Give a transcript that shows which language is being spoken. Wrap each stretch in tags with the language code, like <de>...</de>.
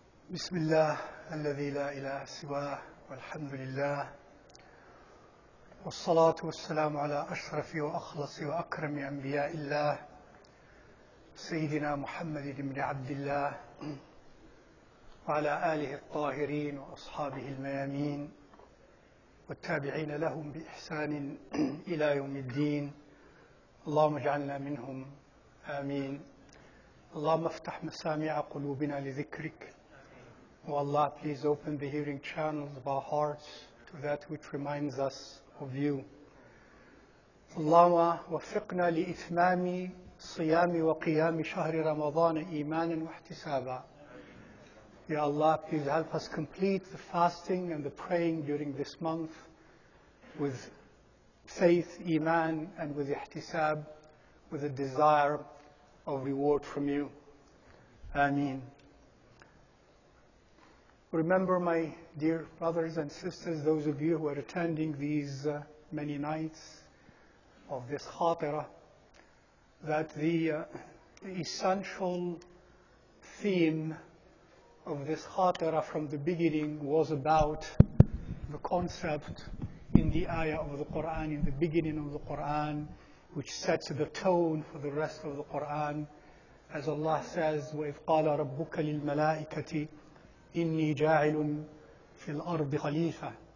<ar>بسم الله الذي لا إله سواه والحمد لله والصلاة والسلام على أشرف وأخلص وأكرم أنبياء الله سيدنا محمد بن عبد الله وعلى آله الطاهرين وأصحابه الميامين والتابعين لهم بإحسان إلى يوم الدين. اللهم اجعلنا منهم آمين. اللهم افتح مسامع قلوبنا لذكرك. والله</ar> <en>please open the hearing channels of our hearts to that which reminds us of you.</en> <ar>اللهم وفقنا لإتمام صيام وقيام شهر رمضان إيمانا واحتسابا.</ar> <en>Ya Allah, please help us complete the fasting and the praying during this month with faith, iman, and with ihtisab, with a desire of reward from you. Ameen. Remember, my dear brothers and sisters, those of you who are attending these many nights of this khatira, that the essential theme of this khatira from the beginning was about the concept in the ayah of the Qur'an, in the beginning of the Qur'an, which sets the tone for the rest of the Qur'an. As Allah says,</en> <ar>وَإِذْ قَالَ رَبُّكَ لِلْمَلَائِكَةِ إِنِّي جَاعِلٌ فِي الْأَرْضِ خَلِيفَةً.</ar>